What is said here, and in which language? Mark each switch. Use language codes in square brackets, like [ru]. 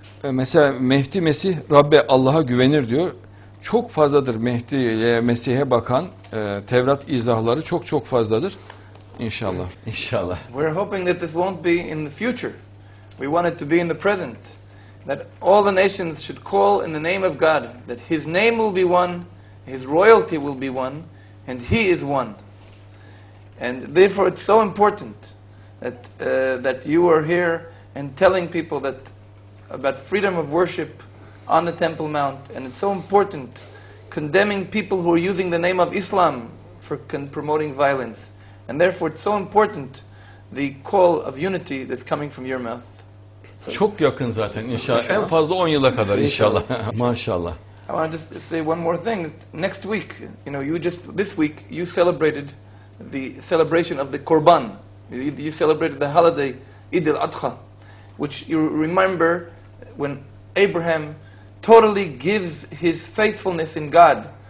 [tr] Mesela Mehdi Mesih Rabbe Allah'a güvenir diyor. Çok fazladır Mehdi'ye, Mesih'e bakan Tevrat izahları çok çok fazladır. İnşallah. İnşallah. [en] We're hoping that this won't be in the future. We want it to be in the present. That all the nations should call in the name of God. That his name will be one, his royalty will be one, and he is one. And therefore it's so important that that you are here and telling people that about freedom of worship on the Temple Mount. And it's so important condemning people who are using the name of Islam for promoting violence. And therefore it's so important the call of unity that's coming from your mouth. [tr] Çok yakın zaten inşallah. En fazla 10 yıla kadar inşallah. Maşallah. [en] I want to just say one more thing. Next week, you know, this week you celebrated the celebration of the Korban. You celebrated the holiday Eid al-Adha, which you remember when Abraham totally gives his faithfulness in God.